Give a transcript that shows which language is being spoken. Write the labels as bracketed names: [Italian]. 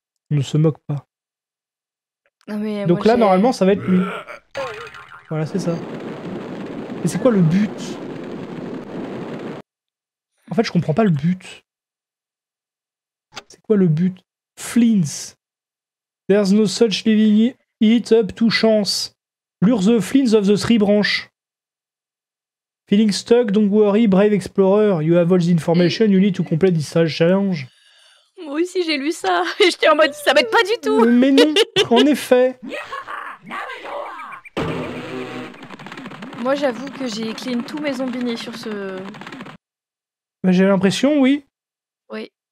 [French] On ne se moque pas. Non, mais donc moi, là, j'ai... normalement, ça va être lui. Voilà, c'est ça. Et c'est quoi le but? En fait, je comprends pas le but. C'est quoi le but? Flins. [English] There's no such living it up to chance. Lure the flins of the three branches. Feeling stuck, don't worry, brave explorer. You have all the information you need to complete this challenge. [French] Moi aussi j'ai lu ça. Et j'étais en mode, ça m'aide pas du tout. Mais non, en effet. Moi j'avoue que j'ai clean tous mes zombies sur ce... Bah, j'ai l'impression, oui. Oui.